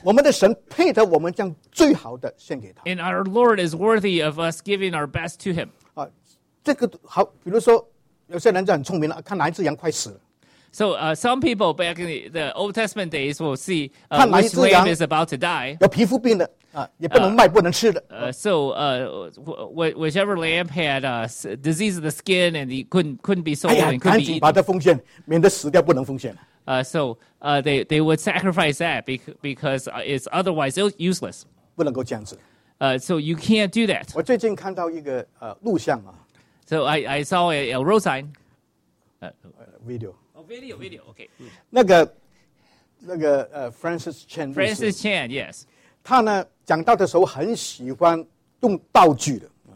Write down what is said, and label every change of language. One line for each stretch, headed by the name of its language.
Chinese: 我们的神配得我们将最好的献给他。
English: And our Lord is worthy of us giving our best to him.
Chinese: 这个好，比如说有些人就很聪明了，看哪一只羊快死了。
English: So some people back in the Old Testament days will see which lamb is about to die.
Chinese: 有皮肤病的也不能卖，不能吃的。
English: Whichever lamb had disease of the skin and he couldn't be sold and couldn't be eaten.
Chinese: 赶紧把它奉献，免得死掉不能奉献。
English: They would sacrifice that because it's otherwise useless.
Chinese: 不能够这样子。
English: So you can't do that.
Chinese: 我最近看到一个录像啊。
English: So I saw a road sign. Video. Oh, video. Okay.
Chinese: 那个Francis Chan.
English: Francis Chan, yes.
Chinese: 他呢讲道的时候很喜欢用道具的。